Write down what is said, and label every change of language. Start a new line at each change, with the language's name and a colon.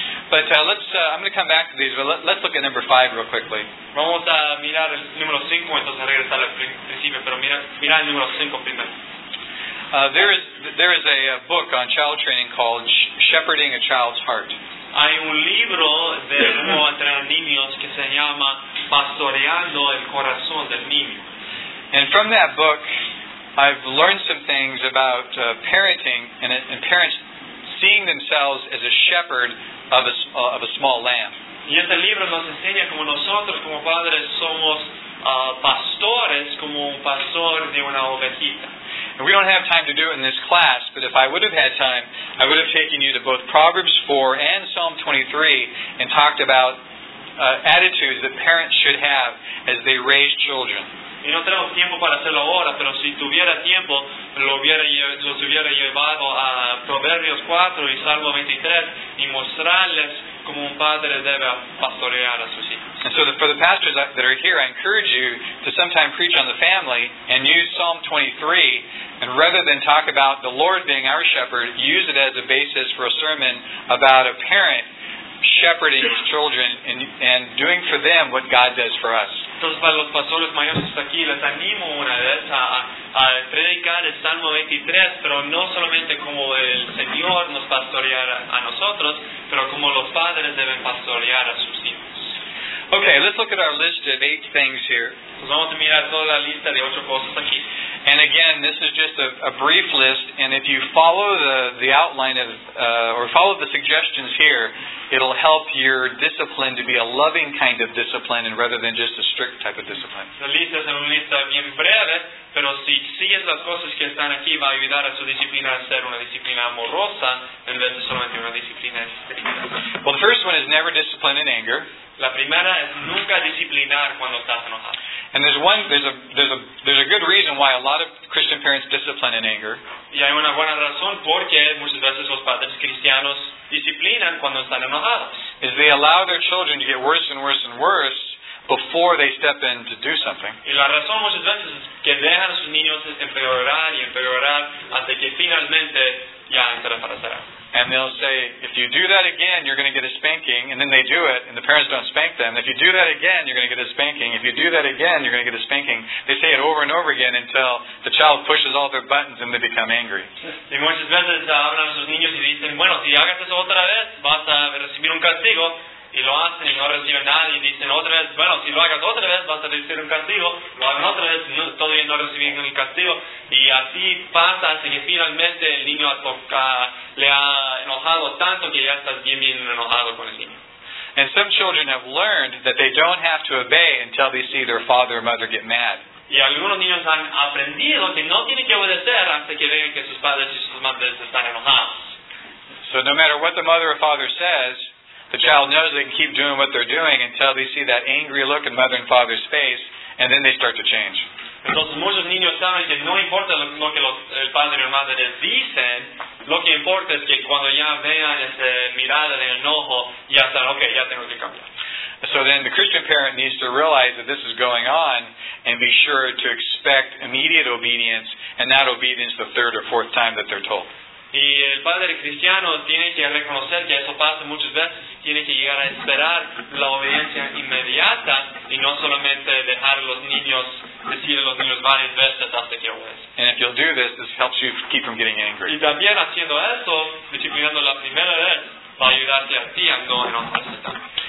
English: But I'm going to come back to these, but let's look at number five real quickly.
Spanish: Vamos a mirar el número cinco, entonces regresar al principio, pero mira el número cinco primero.
English: There is a book on child training called Shepherding a Child's Heart.
Spanish: Hay un libro de cómo entrenar niños que se llama Pastoreando el Corazón del Niño.
English: And from that book, I've learned some things about parenting and parents seeing themselves as a shepherd of a small lamb.
Spanish: Y este libro nos enseña como nosotros, como padres, somos pastores, como un pastor de una ovejita.
English: And we don't have time to do it in this class, but if I would have had time, I would have taken you to both Proverbs 4 and Psalm 23 and talked about attitudes that parents should have as they raise children.
Spanish: Y no tenemos tiempo para hacerlo ahora, pero si tuviera tiempo, los hubiera llevado a Proverbios 4 y Salmo 23 y mostrarles cómo un padre debe pastorear a sus hijos.
English: And so for the pastors that are here, I encourage you to sometime preach on the family and use Psalm 23, and rather than talk about the Lord being our shepherd, use it as a basis for a sermon about a parent shepherding his children and doing for them what God does for us.
Spanish: Entonces para los pastores mayores aquí les animo una vez a predicar el Salmo 23, pero no solamente como el Señor nos pastoreará a nosotros, pero como los padres deben pastorear a sus hijos.
English: Okay, let's look at our list of eight things here.
Spanish: Pues vamos a mirar toda la lista de ocho cosas aquí.
English: And again, this is just a brief list, and if you follow the outline of or follow the suggestions here, it'll help your discipline to be a loving kind of discipline and rather than just a strict type of discipline.
Spanish: La lista es una lista bien breve, pero si sigues las cosas que están aquí, va a ayudar a su disciplina a ser una disciplina amorosa en vez de solamente una disciplina estricta.
English: Well, the first one is never discipline in anger.
Spanish: La primera es nunca disciplinar cuando estás enojado.
English: And there's a good reason why a lot of Christian parents discipline in anger.
Spanish: Y hay una buena razón porque muchas veces los padres cristianos disciplinan cuando están enojados.
English: Is they allow their children to get worse and worse and worse before they step in to do something.
Spanish: Y la razón muchas veces es que dejan a sus niños empeorar y empeorar hasta que finalmente ya entran para hacer algo.
English: And they'll say, if you do that again, you're going to get a spanking. And then they do it, and the parents don't spank them. If you do that again, you're going to get a spanking. If you do that again, you're going to get a spanking. They say it over and over again until the child pushes all their buttons and they become angry.
Spanish: Y muchas veces hablan a sus niños y dicen, bueno, si hagas eso otra vez, vas a recibir un castigo. Y lo hacen y no reciben nada. Y dicen otra vez, bueno, si lo hagas otra vez, vas a recibir un castigo. Lo hacen otra vez, no, todavía no reciben el castigo. Y así pasa hasta que finalmente el niño le ha enojado tanto que ya estás bien, bien enojado con el niño.
English: And some children have learned that they don't have to obey until they see their father or mother get mad.
Spanish: Y algunos niños han aprendido que no tienen que obedecer hasta que vean que sus padres y sus madres están enojados.
English: So no matter what the mother or father says, the child knows they can keep doing what they're doing until they see that angry look in mother and father's face, and then they start to change.
Spanish: Entonces muchos niños saben que no importa lo que el padre o madre les dicen, lo que importa es que cuando ya vean esa mirada de enojo, ya saben, okay, ya tengo que cambiar.
English: So then the Christian parent needs to realize that this is going on and be sure to expect immediate obedience and not obedience the third or fourth time that they're told.
Spanish: Y el padre cristiano tiene que reconocer que eso pasa muchas veces. Tiene que llegar a esperar la obediencia inmediata y no solamente dejar a los niños decir a los niños varias veces hasta que obedezcan.
English: And if you'll do this, this helps you keep from getting angry.
Spanish: Y también haciendo eso, disciplinando la primera vez, va a ayudarte a ti a no enojarse tanto.